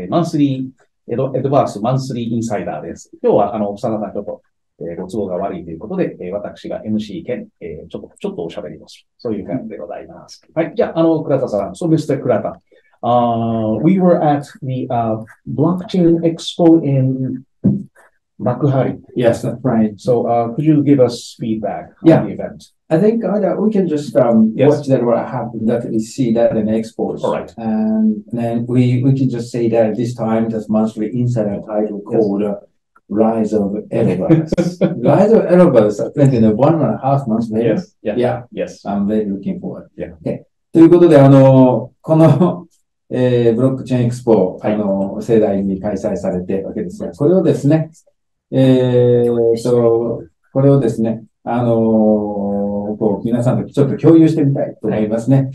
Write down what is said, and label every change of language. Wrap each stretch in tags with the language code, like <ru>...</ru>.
<ja>マンスリー、エドバースマンスリーインサイダーです。今日は、Oksana さんちょっと、ご都合が悪いということで、私が MC 兼、ちょっとおしゃべりをする。そういう感じでございます。はい。じゃあ、倉田さん。</ja> <en>So, Mr.</en> <ja>倉田。</ja> <en>We were at the, Blockchain Expo in 幕張。 Yes, that's right. So, could you give us feedback on the event? I think that we can just, watch that what happened, that we see that in expos. All right. And then we can just say that this time, that's mostly inside our title called, Rise of Eruverse. Rise of Eruverse, I think in 1.5 months later. Yes, yeah, yeah. Yes. I'm very looking forward. Yeah. Okay.</en> <ja>ということで、この、ブロックチェーンエクスポ、盛大に開催されてわけですが、これをですね、これをですね、こう、皆さんとちょっと共有してみたいと思いますね。</ja>